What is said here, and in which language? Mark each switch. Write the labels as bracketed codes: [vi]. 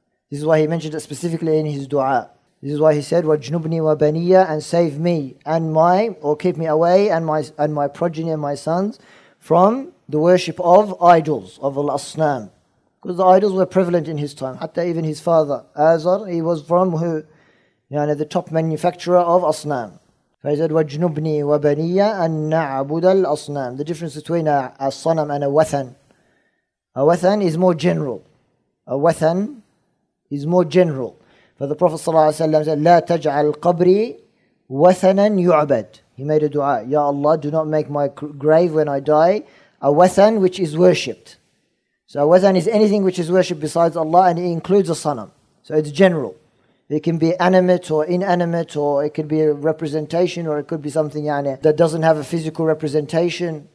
[en] This is why he mentioned it specifically in his dua. This is why he said, [ar] وَجْنُبْنِي وَبَنِيَّ [en] and save me and my, or keep me away and my progeny and my sons from the worship of idols, of al-asnam. Because the idols were prevalent in his time. Hatta even his father, Azar, he was from who? Yani the top manufacturer of asnam. He said, [ar] وَجْنُبْنِي وَبَنِيَّ أَن نَعْبُدَ الْأَصْنَام. [en] The difference between a sanam and a wathan. A wathan is more general. A wathan is more general. For the Prophet ﷺ said, [ar] لَا تَجْعَلْ قَبْرِي وَثَنًا يُعْبَدْ. [en] He made a dua. Ya Allah, do not make my grave when I die a wathan which is worshipped. So a wathan is anything which is worshipped besides Allah, and it includes a sanam. So it's general. It can be animate or inanimate, or it could be a representation, or it could be something يعني, that doesn't have a physical representation.